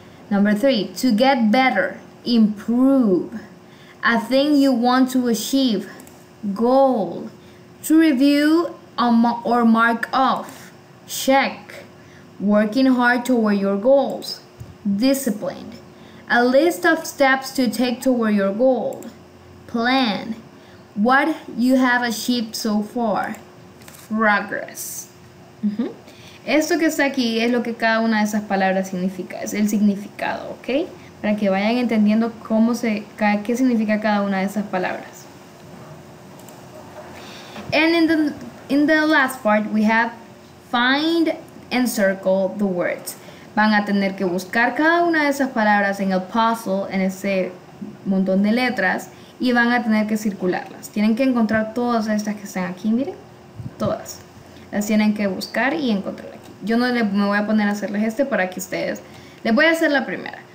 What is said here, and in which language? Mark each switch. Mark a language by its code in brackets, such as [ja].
[en] Number three, to get better, improve, a thing you want to achieve, goal, to review or mark off, check, working hard toward your goals, disciplined, a list of steps to take toward your goal, plan, what you have achieved so far. Progress. [es] Esto que está aquí es lo que cada una de esas palabras significa. Es el significado, ¿ok? Para que vayan entendiendo cómo se, qué significa cada una de esas palabras. [en] And in the last part, we have find and circle the words. [es] Van a tener que buscar cada una de esas palabras en el puzzle, en ese montón de letras. Y van a tener que circularlas. Tienen que encontrar todas estas que están aquí, miren. Todas. Las tienen que buscar y encontrar aquí. Yo no me voy a poner a hacerles este para que ustedes... Les voy a hacer la primera.